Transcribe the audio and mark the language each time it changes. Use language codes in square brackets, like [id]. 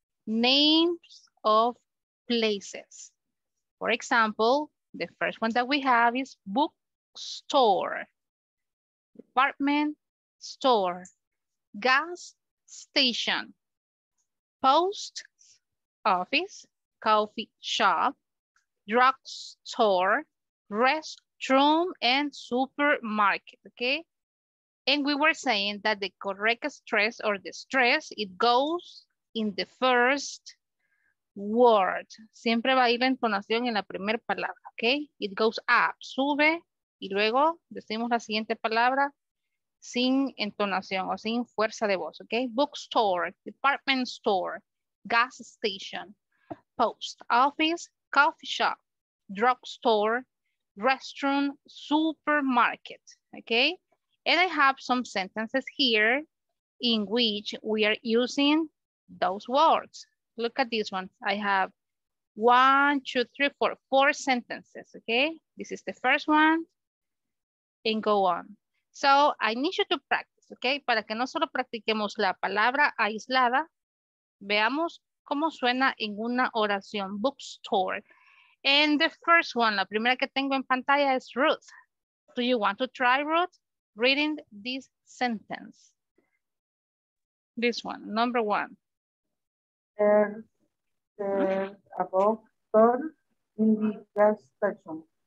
[en] Names of places. For example, the first one that we have is bookstore, department store, gas station, post office, coffee shop, drugstore, restroom and supermarket, okay? And we were saying that the correct stress or the stress, it goes in the first word. [es] Siempre va a ir la entonación en la primera palabra, okay? [en] It goes up, [es] sube, y luego decimos la siguiente palabra sin entonación o sin fuerza de voz, okay? [en] Bookstore, department store, gas station, post office, coffee shop, drugstore, restaurant, supermarket, okay? And I have some sentences here in which we are using those words. Look at this one. I have one, two, three, four sentences, okay? This is the first one and go on. So I need you to practice, okay? [es] Para que no solo practiquemos la palabra aislada, veamos cómo suena en una oración, bookstore. [en] And the first one, [es] la primera que tengo en pantalla es Ruth. [en] Do you want to try, Ruth, reading this sentence? This one, number one. Doctor in the gas station.